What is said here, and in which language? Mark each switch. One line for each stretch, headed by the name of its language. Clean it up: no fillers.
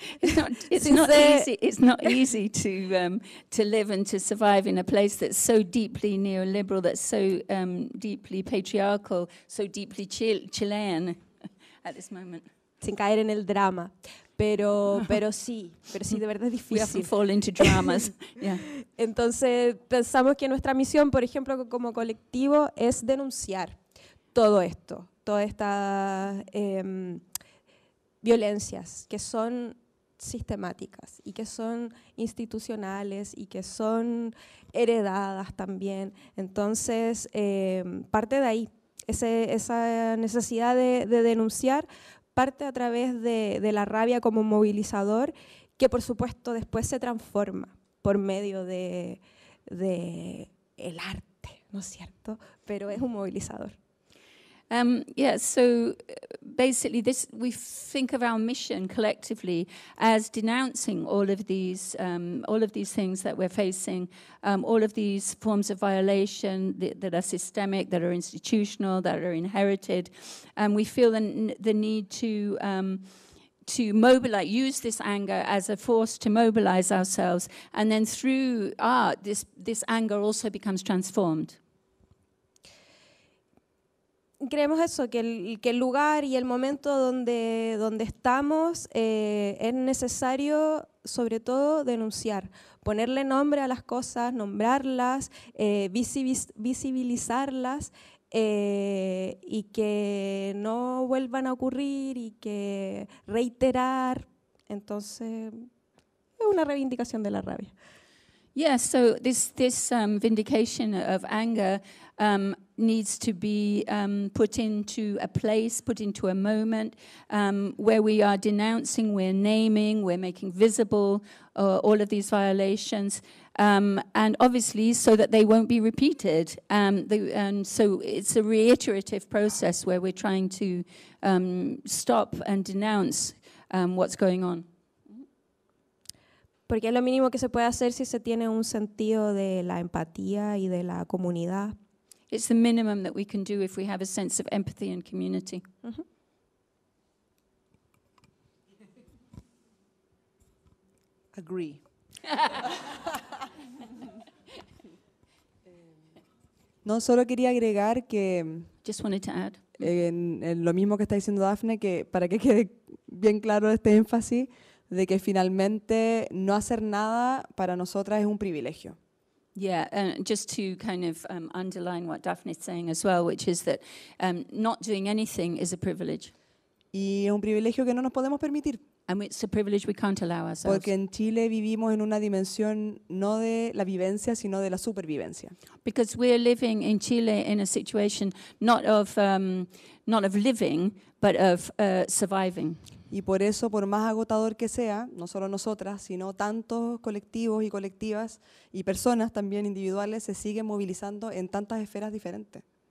English: It's not easy to live and to survive in a place that's so deeply neoliberal, that's so deeply patriarchal, so deeply Chilean at this moment.
Spanish: Sin caer en el drama, pero sí, de verdad es difícil.
English: We often fall into dramas. Yeah.
Spanish: Entonces pensamos que nuestra misión, por ejemplo, como colectivo, es denunciar todo esto, toda esta violencias que son sistemáticas y que son institucionales y que son heredadas también. Entonces, parte de ahí. Esa necesidad de denunciar parte a través de la rabia como movilizador, que por supuesto después se transforma por medio de el arte, ¿no es cierto? Pero es un movilizador.
English: So basically this, we think of our mission collectively as denouncing all of these things that we're facing, all of these forms of violation that are systemic, that are institutional, that are inherited. And we feel the need to mobilize, use this anger as a force to mobilize ourselves. And then through art, this anger also becomes transformed.
Spanish: Creemos eso, que el lugar y el momento donde estamos es necesario, sobre todo, denunciar, ponerle nombre a las cosas, nombrarlas, visibilizarlas y que no vuelvan a ocurrir y que reiterar. Entonces, es una reivindicación de la rabia.
English: Yeah, so this vindication of anger needs to be put into a place, put into a moment where we are denouncing, we're naming, we're making visible all of these violations, and obviously so that they won't be repeated. And so it's a reiterative process where we're trying to stop and denounce what's going on.
Spanish: Porque es lo mínimo que se puede hacer si se tiene un sentido de la empatía y de la comunidad.
English: It's the minimum that we can do if we have a sense of empathy and community. Mm-hmm. Agree.
Spanish: No, solo quería agregar que...
English: Just wanted to add.
Spanish: En lo mismo que está diciendo Daffne, que para que quede bien claro este énfasis, de que finalmente no hacer nada para nosotras es un privilegio.
English: Yeah, just to kind of underline what Daphne is saying as well, which is that not doing anything is a privilege.
Spanish: Y es un privilegio que no nos podemos permitir.
English: And it's a privilege we can't allow ourselves.
Spanish: Porque en Chile vivimos en una dimensión no de la vivencia, sino de la supervivencia.
English: Because we are living in Chile in a situation not of living, but of surviving.
Spanish: Y por eso, por más agotador que sea, no solo nosotras, sino tantos colectivos y colectivas y personas también individuales se siguen movilizando en tantas esferas diferentes.